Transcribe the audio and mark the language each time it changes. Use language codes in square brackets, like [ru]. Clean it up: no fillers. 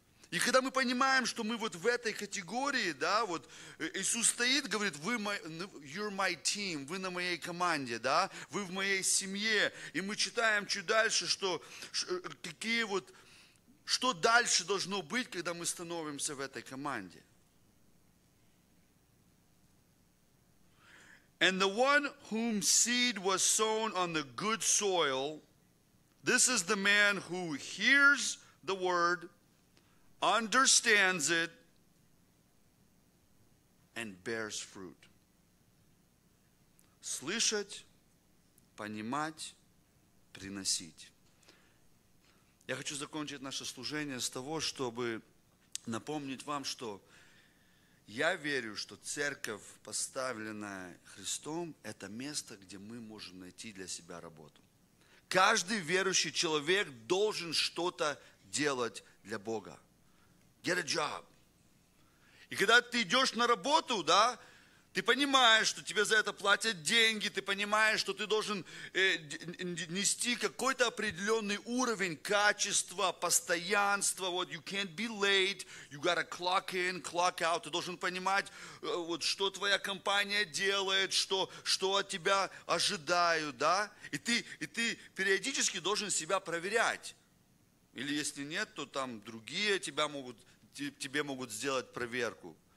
[ru] И когда мы понимаем, что мы вот в этой категории, да, вот Иисус стоит, говорит, вы [en] you're my team, [ru] вы на моей команде, да, вы в моей семье, и мы читаем чуть дальше, что какие вот, что дальше должно быть, когда мы становимся в этой команде. [en] And the one whom seed was sown on the good soil, this is the man who hears the word, understands it, and bears fruit. [ru] Слышать, понимать, приносить. Я хочу закончить наше служение с того, чтобы напомнить вам, что я верю, что церковь, поставленная Христом, это место, где мы можем найти для себя работу. Каждый верующий человек должен что-то делать для Бога. [en] Get a job. [ru] И когда ты идешь на работу, да, ты понимаешь, что тебе за это платят деньги, ты понимаешь, что ты должен нести какой-то определенный уровень качества, постоянства. Вот [en] you can't be late, you gotta clock in, clock out. [ru] Ты должен понимать, вот что твоя компания делает, что от тебя ожидают, да. И ты периодически должен себя проверять. Или если нет, то там другие тебя могут... Тебе могут сделать проверку.